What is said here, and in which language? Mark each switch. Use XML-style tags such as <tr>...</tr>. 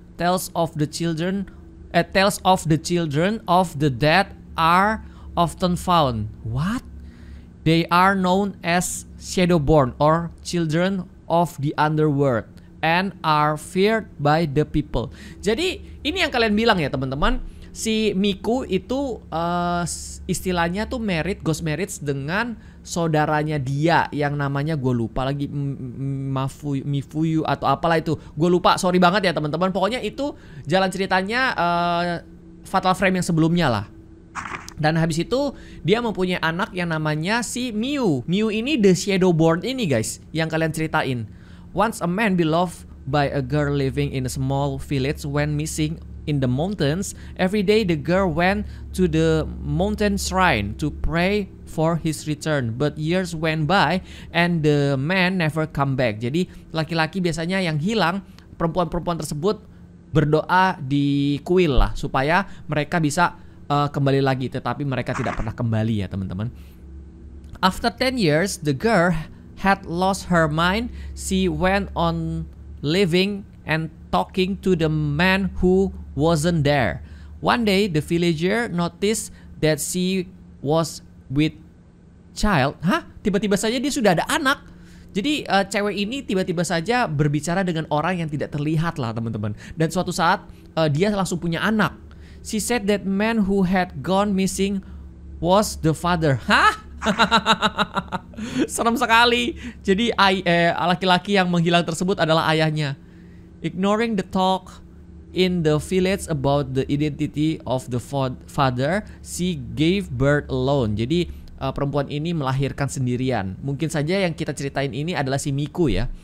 <en>Tales of the children of the dead are often found. What? They are known as Shadowborn or children of the underworld and are feared by the people.</en> <id>Jadi, ini yang kalian bilang ya, teman-teman. Si Miku itu istilahnya tuh married, ghost marriage dengan saudaranya dia yang namanya gue lupa lagi, Mifuyu atau apalah itu. Gue lupa, sorry banget ya teman-teman. Pokoknya itu jalan ceritanya Fatal Frame yang sebelumnya lah. Dan habis itu dia mempunyai anak yang namanya si Miu. Miu ini the Shadowborn ini guys yang kalian ceritain.</id> <en>Once a man beloved by a girl living in a small village went missing in the mountains. Every day the girl went to the mountain shrine to pray for his return, but years went by and the man never come back.</en> <id>Jadi laki-laki biasanya yang hilang, perempuan-perempuan tersebut berdoa di kuil lah supaya mereka bisa kembali lagi, tetapi mereka tidak pernah kembali ya teman-teman.</id> <en>After 10 years the girl had lost her mind. She went on living and talking to the man who wasn't there. One day the villager noticed that she was with child. Hah?</en> <id>Tiba-tiba saja dia sudah ada anak. Jadi cewek ini tiba-tiba saja berbicara dengan orang yang tidak terlihat lah teman-teman. Dan suatu saat dia langsung punya anak.</id> <en>She said that man who had gone missing was the father.</en> <id>Hah? Serem sekali. Jadi laki-laki yang menghilang tersebut adalah ayahnya.</id> <en>Ignoring the talk in the village about the identity of the father, she gave birth alone.</en> <id>Jadi perempuan ini melahirkan sendirian. Mungkin saja yang kita ceritain ini adalah si Miku ya.</id>